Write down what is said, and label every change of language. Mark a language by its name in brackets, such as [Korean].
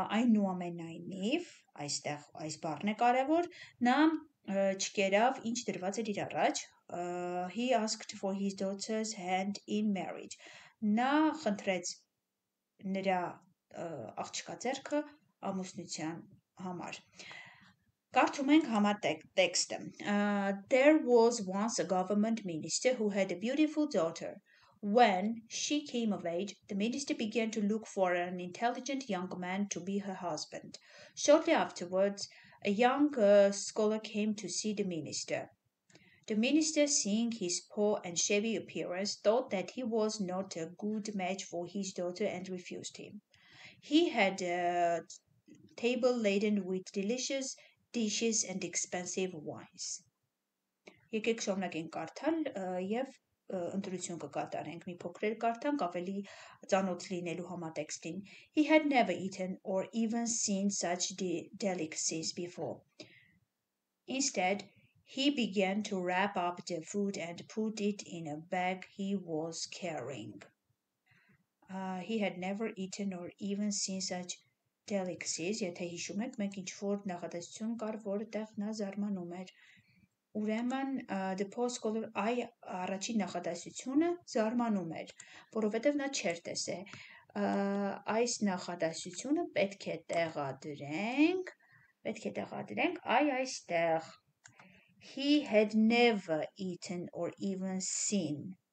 [Armenian] Այնուամենայնիվ, այստեղ այս բառն է կարևոր, նա չկերավ ինչ դրված էր իր առաջ։ [English] He asked for his daughter's hand in marriage. [Armenian] Նա խնդրեց նրա աղջկա ձեռքը ամուսնության համար։ Կարդում ենք համատեքստը։ [English] There was once a government minister who had a beautiful daughter. When she came of age, the minister began to look for an intelligent young man to be her husband. Shortly afterwards, a young scholar came to see the minister. The minister, seeing his poor and shabby appearance, thought that he was not a good match for his daughter and refused him. He had a table laden with delicious dishes and expensive wines. [Armenian] Եկեք շոմնակեն կարդալ եւ ընտրություն կկատարենք, մի փոքր կարդանք ավելի ճանոթ լինելու համատեքստին։ [English] He had never eaten or even seen such delicacies before. Instead, he began to wrap up the food and put it in a bag he was carrying. He had never eaten or even seen such delicacies. [Armenian] Եթե հիշում եք, մենք ինչ-որ նախադասություն կար, որը տեղ նա զարմանում էր։ Ուրեմն, the post color I առաջին նախադասությունը զարմանում էր, որովհետև նա չէր տեսե։ Այս նախադասությունը պետք է տեղադրենք, I այստեղ։ [English] He had never eaten or even seen.